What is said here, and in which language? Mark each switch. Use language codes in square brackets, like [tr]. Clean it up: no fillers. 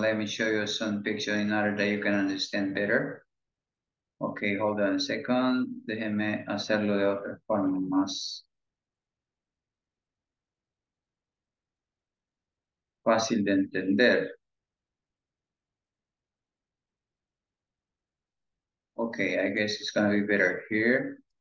[en] Let me show you some picture in order that you can understand better. Okay, hold on a second. [es] Déjeme hacerlo de otra forma más fácil de entender. [en] Okay, I guess it's gonna be better here.